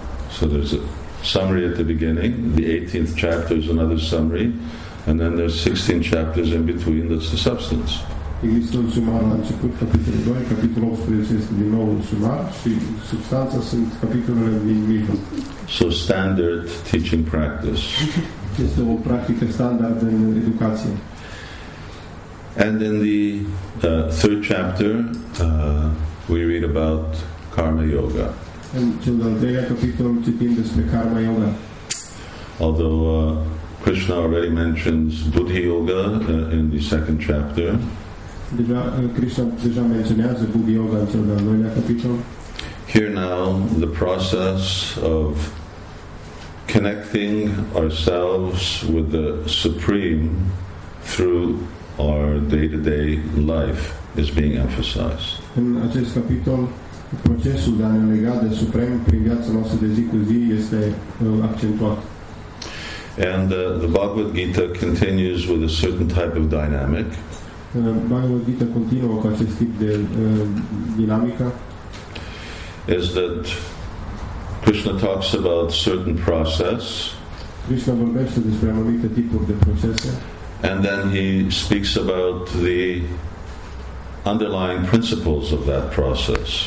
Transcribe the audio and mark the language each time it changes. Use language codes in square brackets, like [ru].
[en] So there's a summary at the beginning. The 18th chapter is another summary. And then there's 16 chapters in between, that's the substance. [ro] Există un sumar la început, capitolul 2, capitolul 18 este din nou un sumar și substanța sunt capitolele din mijloc. [en] So standard teaching practice. [ro] Este o practică standard în educație. [en] And in the third chapter, we read about Karma Yoga. [ro] În cel de-al treilea capitol citim despre Karma Yoga. [en] Although Krishna already mentions Buddha Yoga in the second chapter. [ro] Deja, Krishna deja menționează Buddha Yoga în cel de-al doilea capitol. [en] Here now, the process of connecting ourselves with the Supreme through our day-to-day life is being emphasized. [ro] În acest capitol, procesul de a ne lega de Suprem prin viața noastră de zi cu zi este accentuat. [en] And the Bhagavad Gita continues with a certain type of dynamic. [ro] Bhagavad Gita continuă cu acest tip de dinamică. [en] Is that Krishna talks about certain process. [ro] Krishna vorbește despre anumite tipuri de procese. [en] And then he speaks about the underlying principles of that process.